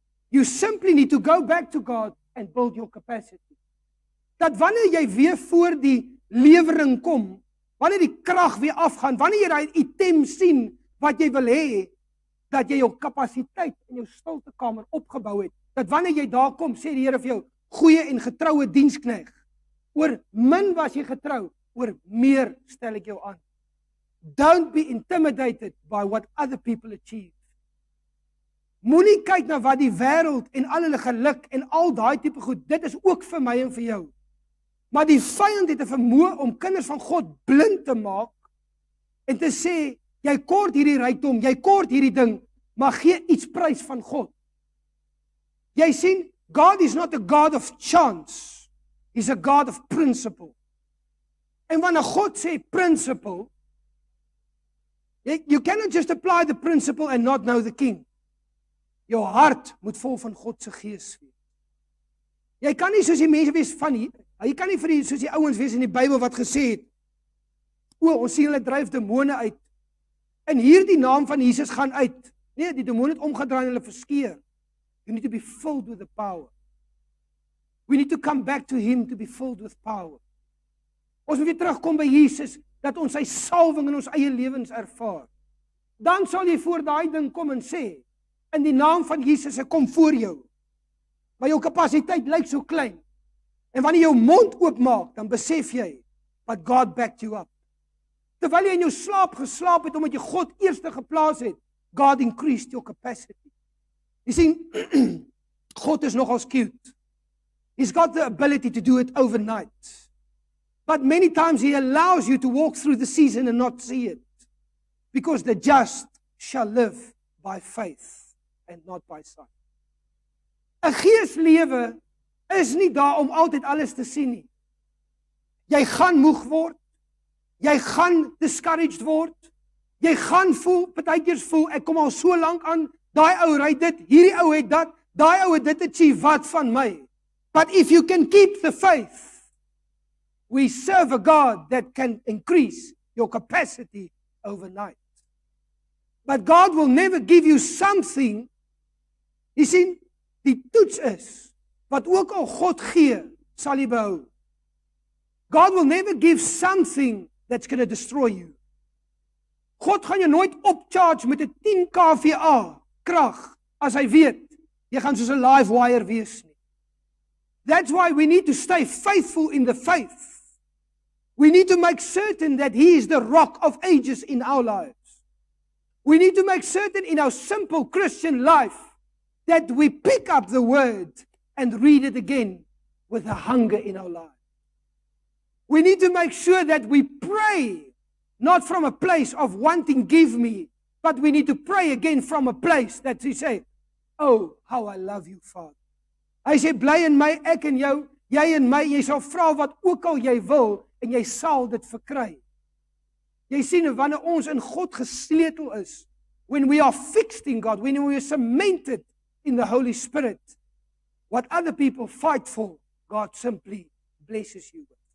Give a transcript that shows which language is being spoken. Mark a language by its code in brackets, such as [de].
[en] You simply need to go back to God and build your capacity. [af] Dat wanneer jy weer voor die lewering kom, wanneer die krag weer afgaan, wanneer jy die item sien wat jy wil hê, dat jy jou kapasiteit in jou stilte kamer opgebou het, dat wanneer jy daar kom, sê die Here vir jou, goeie en getroue dienskneg, oor min was jy getrou, oor meer stel ek jou aan. [en] Don't be intimidated by what other people achieve. [af] Moenie kyk na wat die wêreld en al hulle geluk en al daai tipe goed, dit is ook vir my en vir jou. Maar die vyand het 'n vermoë om kinders van God blind te maak en te sê, jy kort hierdie rykdom, jy kort hierdie ding, maar gee iets prys van God. Jy sien, [en] God is not a God of chance. He's a God of principle. [af] En wanneer God sê [en] principle, you cannot just apply the principle and not know the king. [af] Jou hart moet vol van God se gees wees. Jy kan nie soos die mense wees van hier, jy kan nie vir die, soos die ouens wees in die Bybel wat gesê het, o, ons sien hulle dryf demone uit, en hierdie naam van Jesus gaan uit. Nee, die demoon het omgedraai en hulle verskeur. [en] You need to be filled with the power. We need to come back to him to be filled with power. [af] Ons moet weer terugkom by Jesus, dat ons sy salwing in ons eie lewens ervaar. Dan sal jy voor daai ding kom en sê, in die naam van Jesus, ek kom voor jou. Maar jou kapasiteit lyk so klein. En wanneer jou mond oopmaak, dan besef jy, [en] but God backed you up. [af] Terwyl jy in jou slaap geslaap het, omdat jy God eerste geplaas het, [en] God increased your capacity. [af] Jy sien, God is nogals cute. [en] He's got the ability to do it overnight. But many times he allows you to walk through the season and not see it. Because the just shall live by faith and not by sight. [af] 'N geeslewe is nie daar om altyd alles te sien nie. Jy gaan moeg word. Jy gaan discouraged word, jy gaan voel, partykeers voel, ek kom al so lank aan, daai ou ry dit, hierdie ou het dat, daai ou het dit achieve, wat van my? [en] But if you can keep the faith, we serve a God that can increase your capacity overnight. But God will never give you something, you see, [af] die toets is, wat ook al God gee, sal jy behou. [en] God will never give something that's going to destroy you. [af] God gaan jou nooit opcharge met 'n 10 kVA krag, as hy weet, jy gaan soos 'n live wire wees nie. [en] That's why we need to stay faithful in the faith. We need to make certain that he is the rock of ages in our lives. We need to make certain in our simple Christian life that we pick up the word and read it again with a hunger in our lives. We need to make sure that we pray, not from a place of wanting give me, but we need to pray again from a place that we say, oh, how I love you, Father. [af] Hy sê, bly in my, ek en jou, jy en my, jy sal vra wat ook al jy wil, en jy sal dit verkry. Jy sien, wanneer ons in God gesleutel is, [en] when we are fixed in God, when we are cemented in the Holy Spirit, what other people fight for, God simply blesses you.